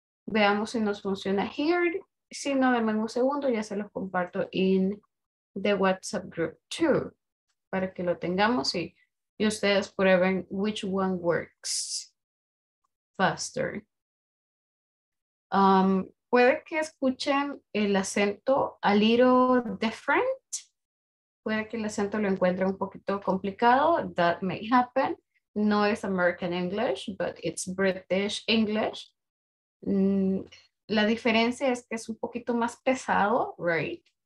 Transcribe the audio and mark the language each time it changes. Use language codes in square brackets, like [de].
[es] Veamos si nos funciona here. Si no, denme un segundo, ya se los comparto [en] in the WhatsApp group too, [es] para que lo tengamos y ustedes prueben [en] which one works faster. [es] Puede que escuchen el acento [en] a little different. [es] Puede que el acento lo encuentre un poquito complicado. [en] That may happen. [es] No es [en] American English, but it's British English. [es] La diferencia es que es un poquito más pesado, right?